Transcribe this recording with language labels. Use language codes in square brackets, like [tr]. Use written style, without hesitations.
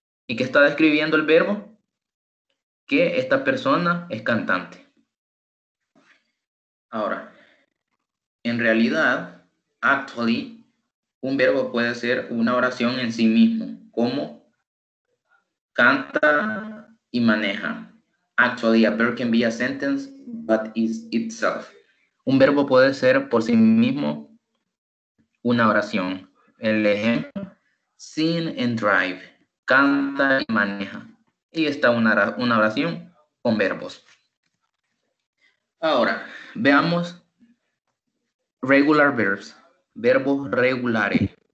[es] ¿Y qué está describiendo el verbo? Que esta persona es cantante. Ahora, en realidad, actually, un verbo puede ser una oración en sí mismo, como canta y maneja. [en] Actually, a verb can be a sentence, but is itself. [es] Un verbo puede ser por sí mismo una oración. El ejemplo, [en] sing and drive, [es] canta y maneja. Y está una oración con verbos. Ahora, veamos regular verbs, verbos regulares.